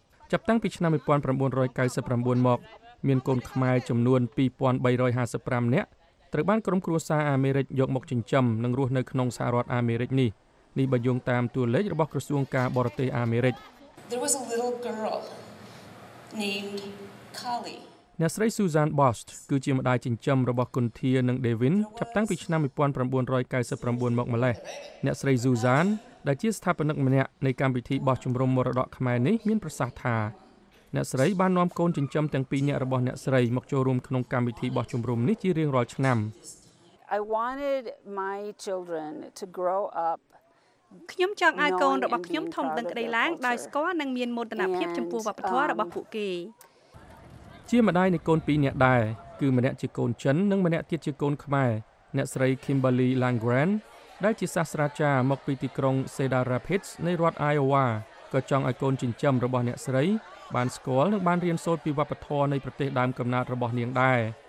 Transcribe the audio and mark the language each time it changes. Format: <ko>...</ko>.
<km>ចាប់តាំងពីឆ្នាំ1999មកមានកូនខ្មែរចំនួន2355នាក់ត្រូវបានក្រុមគ្រួសារអាមេរិកយកមកចិញ្ចឹមនិងរស់នៅក្នុងសហរដ្ឋអាមេរិកនេះនេះបើយោងតាមតួលេខរបស់ក្រសួងការបរទេសអាមេរិកអ្នកស្រី Susan Bost គឺជាម្ដាយចិញ្ចឹមរបស់គុនធានិង Devin ចាប់តាំងពីឆ្នាំ1999មកម្ល៉េះអ្នកស្រី Susan ដែលជាស្ថាបនិកម្នាក់នៃកម្មវិធីបោះជំរំមរតកខ្មែរនេះមានប្រសាសន៍ថាអ្នកស្រីបាននាំកូនចិញ្ចឹមទាំងពីរនាក់របស់អ្នកស្រីមកចូលរួមក្នុងកម្មវិធីបោះជំរំនេះជារៀងរាល់ឆ្នាំ</km> <en>I wanted my children to grow up</en> <km>ខ្ញុំចង់ឲ្យកូនរបស់ខ្ញុំធំដឹងក្តីឡើងដោយស្គាល់និងមានមោទនភាពចំពោះវប្បធម៌របស់ពួកគេ ជាម្ដាយនៃកូនពីរនាក់ដែរគឺម្នាក់ជាកូនចិននិងម្នាក់ទៀតជាកូនខ្មែរអ្នកស្រី Kimberly Langren ដែលជាសាស្ត្រាចារ្យមកពីទីក្រុង Cedar Rapids នៃរដ្ឋ Iowa ក៏ចង់ឲ្យកូនចិញ្ចឹមរបស់អ្នកស្រីបានស្គាល់និងបានរៀនសូត្រពីវប្បធម៌នៃប្រទេសដើមកំណើតរបស់នាងដែរ</km>